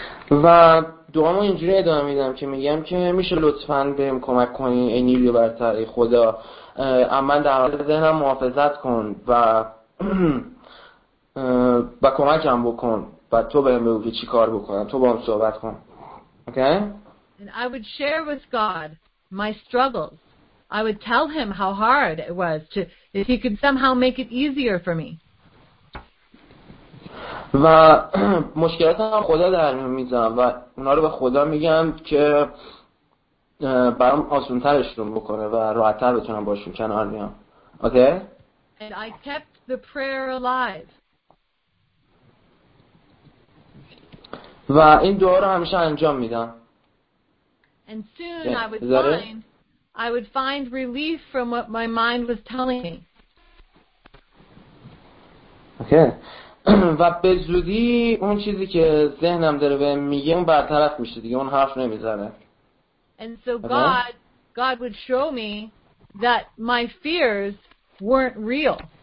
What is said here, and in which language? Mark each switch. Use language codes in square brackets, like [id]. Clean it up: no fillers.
[fa] و دعامو اینجوری ادامه میدم که میگم که میشه لطفاً بهم کمک کنی ای نیروی برتر ای خدا، اما در حال ذهنم محافظت کن و کمکم بکن و تو بهم بگو که چی کار بکنم، تو با هم صحبت کن. [en] Okay. And I would share with God my struggles. I would tell him how hard it was to, if he could somehow make it easier for me. [fa] و مشکلاتم رو خدا در میذارم و اونا رو به خدا میگم که برام آسان‌ترشون بکنه و راحت‌تر بتونم باشون کنار بیام. [en] Okay. And I kept the prayer alive. [fa] و این دعا رو همیشه انجام میدم. [en] And soon I would find relief from what my mind was telling me. Okay. [fa] و به زودی اون چیزی که ذهنم داره بهم میگه اون برطرف میشه دیگه، اون حرف نمیزنه. [en] And so God would show me that my fears weren't real.